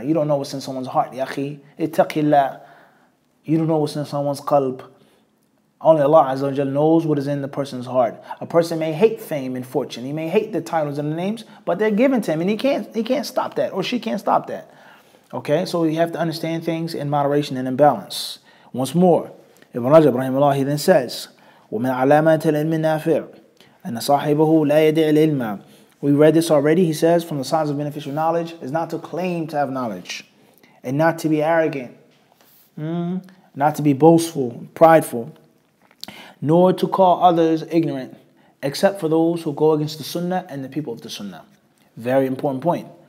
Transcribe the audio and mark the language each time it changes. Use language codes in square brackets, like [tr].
[en] You don't know what's in someone's heart, ya akhi. Ittaqillah. You don't know what's in someone's qalb. Only Allah Azza wa Jal knows what is in the person's heart. A person may hate fame and fortune. He may hate the titles and the names, but they're given to him and he can't stop that, or she can't stop that. Okay, so you have to understand things in moderation and in balance. Once more, Ibn Rajab rahimahullah, he then says, [ar] وَمِنْ عَلَامَاتِ الْعِلْمِ النَّافِعِ أَنَّ صَاحِبَهُ لَا يَدِعِ الْعِلْمَ. [en] We read this already, he says, from the signs of beneficial knowledge is not to claim to have knowledge and not to be arrogant. Not to be boastful, prideful, nor to call others ignorant, except for those who go against the sunnah and the people of the sunnah. Very important point.